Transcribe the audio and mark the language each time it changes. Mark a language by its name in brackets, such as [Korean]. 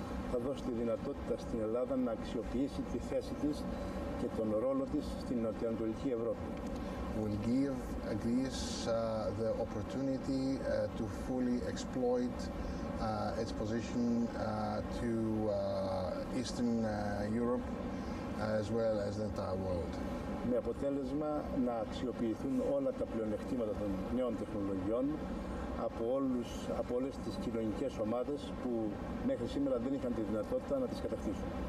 [Greek] Θα δώσει τη δυνατότητα στην Ελλάδα να αξιοποιήσει τη θέση της και τον ρόλο της στην νοτιοανατολική Ευρώπη. [English] Will give Greece the opportunity to fully exploit its position to Eastern Europe as well as the entire world. [Greek] Με αποτέλεσμα να αξιοποιηθούν όλα τα πλεονεκτήματα των νέων τεχνολογιών από όλες τις κοινωνικές ομάδες που μέχρι σήμερα δεν είχαν τη δυνατότητα να τις κατακτήσουν.